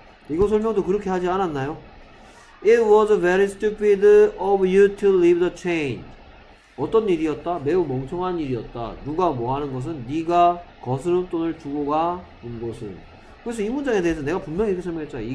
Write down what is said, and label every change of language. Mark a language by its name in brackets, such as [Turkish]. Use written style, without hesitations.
[Korean] 이거 설명도 그렇게 하지 않았나요? [English] It was very stupid of you to leave the chain. [Korean] 어떤 일이었다? 매우 멍청한 일이었다. 누가 뭐 하는 것은? 네가 거스름 돈을 주고 가 온 것은. 그래서 이 문장에 대해서 내가 분명히 이렇게 설명했잖아.